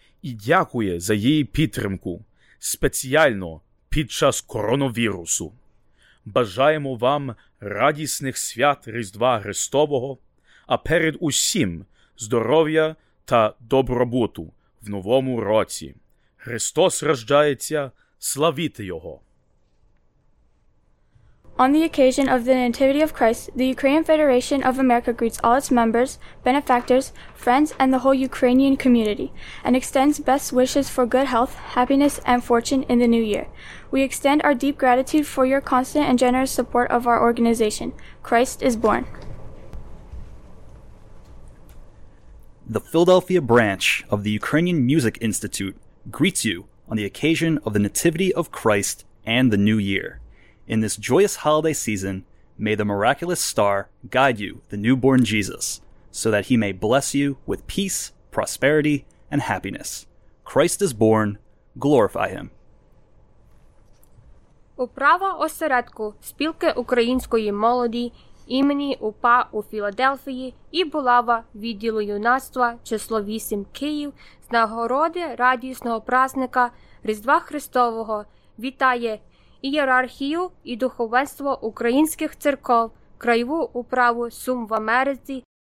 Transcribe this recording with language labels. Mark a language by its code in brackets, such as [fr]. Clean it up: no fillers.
[uk] і дякує за її підтримку, спеціально під час коронавірусу. Бажаємо вам радісних свят Різдва Христового, а перед усім здоров'я та добробуту в новому році. Христос рождається, славіте Його! [en] On the occasion of the Nativity of Christ, the Ukrainian Federation of America greets all its members, benefactors, friends, and the whole Ukrainian community, and extends best wishes for good health, happiness, and fortune in the new year. We extend our deep gratitude for your constant and generous support of our organization. Christ is born. The Philadelphia branch of the Ukrainian Music Institute greets you on the occasion of the Nativity of Christ and the new year. In this joyous holiday season, may the miraculous star guide you, the newborn Jesus, so that he may bless you with peace, prosperity, and happiness. Christ is born. Glorify him. [uk] Управа осередку Спілки української молоді імені УПА у Філадельфії і Булава відділу юнацтва число 8 Київ з нагороди радісного праздника Різдва Христового вітає ієрархію і духовенство українських церков, Краєву управу Сум в Америці,